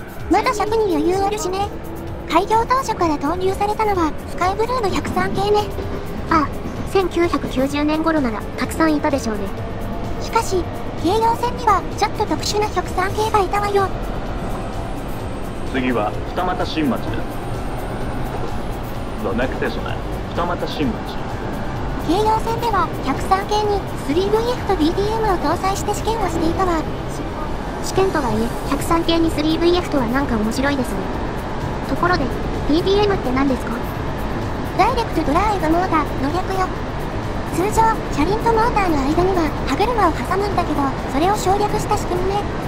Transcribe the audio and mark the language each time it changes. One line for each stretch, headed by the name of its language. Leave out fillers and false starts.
Japanese: まだ尺に余裕あるしね。開業当初から投入されたのはスカイブルーの103系ね。ああ、1990年頃ならたくさんいたでしょうね。しかし、京葉線にはちょっと特殊な103系がいたわよ。次は二俣新町です。
English: The next station is 二俣新町。
Japanese: 京葉線では103系に 3VF と DTM を搭載して試験をしていたわ。試験とはいえ、103系に 3VF とはなんか面白いですね。ところで、DTM って何ですか？ダイレクトドライブモーターの略よ。通常、車輪とモーターの間には歯車を挟むんだけど、それを省略した仕組みね。